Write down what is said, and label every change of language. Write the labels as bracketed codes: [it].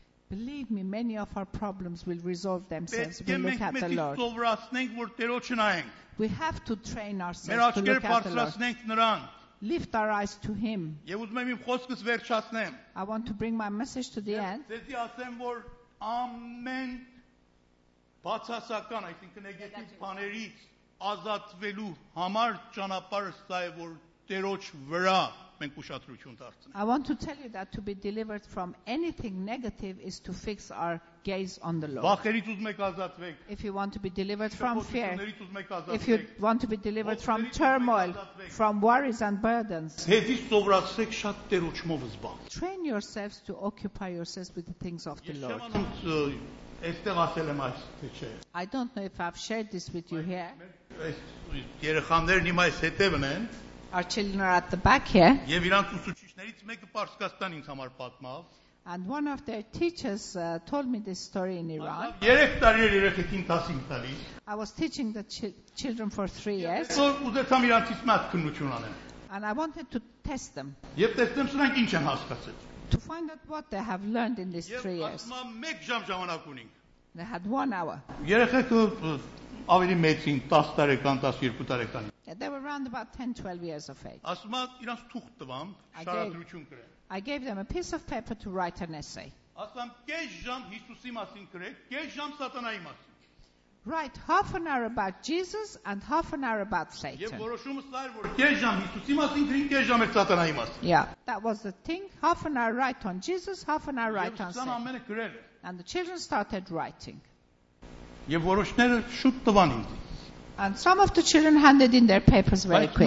[en] Believe me, many of our problems will resolve themselves if we look at the Lord. We have to train ourselves to look at the Lord. Lift our eyes to Him. I want to bring my message to the end. Amen. [hy] Բացասական, այսինքն նեգատիվ բաներից ազատվելու համար ճանապարհը սա է, որ Տերոջ վրա մենք ուշադրություն դարձնենք. [en] I want to tell you that to be delivered from anything negative is to fix our gaze on the Lord. [hy] Վախերից ուզում եք ազատվեք. [en] If you want to be delivered from fear. [hy] Շփոթություններից ուզում եք ազատվեք. [en] If you want to be delivered from turmoil, from worries and burdens. [hy] Հետից սովորացեք շատ տերուչմով զբաղվել. [en] Train yourselves to occupy yourselves with the things of the Lord. [hy] Եստեղ ասել եմ այս թե չէ։ [en] I don't know if I've shared this with you here. [hy] Երեխաներն հիմա այս հետևն են։ [en] Our children are at the back here. [hy] Եվ իրանք ուսուցիչներից մեկը Պարսկաստան ինձ համար պատմավ։ [en] And one of their teachers told me this story in Iran. [hy] Երեք տարի էր երեխեքին դասին տալիս։ [en] I was teaching the children for 3 years. [hy] Ես ուզեցամ իրանքից մեծ քննություն անեմ։ [en] And I wanted to test them. [hy] Եվ տեսնեմ սրանք ինչ են հասկացել։ [en] To find out what they have learned in these 3 years. [hy] Ես ասում եմ, մեկ ժամ ժամանակ ունինք։ [en] They had 1 hour. [hy] Երեխեքը ավելի մեծին 10 տարեկան, 12 տարեկան։ [en] They were around about 10-12 years of age. [hy] Ասում եմ, իրանք թուղթ տվամ, շարադրություն կրեն։ [en] I gave them a piece of paper to write an essay. [hy] Ասում եմ, կես ժամ Հիսուսի մասին գրեք, կես ժամ Սատանայի մասին։ [en] Write half an hour about Jesus and half an hour about Satan. Yeah, that was the thing. Half an hour write on Jesus, half an hour write on Satan. And the children started writing. And some of the children handed in their papers very quickly.